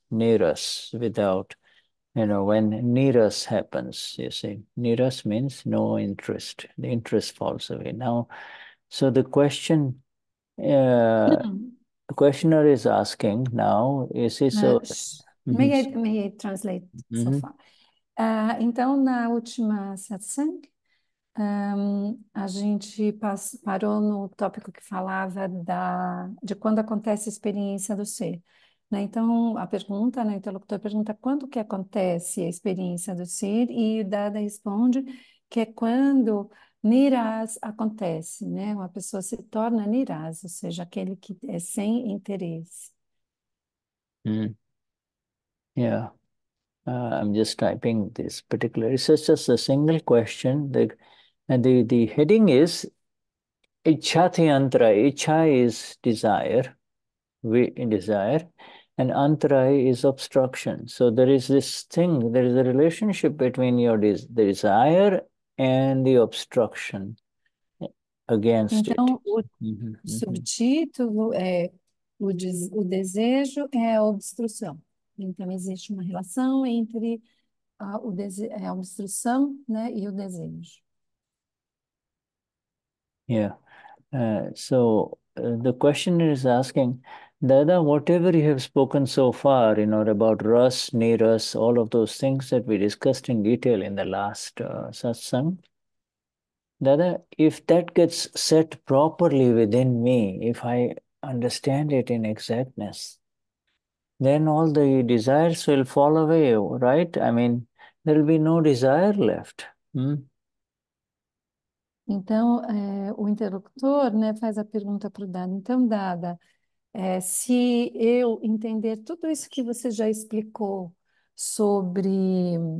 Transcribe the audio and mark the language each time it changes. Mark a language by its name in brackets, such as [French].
[English] Niras, without, you know, when niras happens, you see, niras means no interest, the interest falls away. Now, so the question, the questioner is asking now, you see, so, May I translate so far? [Portuguese] Então, na última satsang, a gente parou no tópico que falava de quando acontece a experiência do ser. Né? Então, a pergunta, né, o interlocutor pergunta quando que acontece a experiência do ser e o Dada responde que é quando Niras acontece, né? Uma pessoa se torna niras, ou seja, aquele que é sem interesse. [English] I'm just typing this particular. It's just a single question. The heading is Ichatyantra. Icha is desire, we in desire, and antra is obstruction. So there is this thing, there is a relationship between your the desire and the obstruction against [Portuguese] Então, [English] it. [Portuguese] o subtítulo é o desejo é a obstrução. Então, existe uma relação entre a obstrução, né, e o desejo. [English] The questioner is asking, Dada, whatever you have spoken so far, you know, about ras, niras, all of those things that we discussed in detail in the last satsang, Dada, if that gets set properly within me, if I understand it in exactness, then all the desires will fall away, right? I mean, there'll be no desire left. [Portuguese] Então, o interlocutor, né, faz a pergunta para o Dada. Então, Dada, se eu entender tudo isso que você já explicou sobre.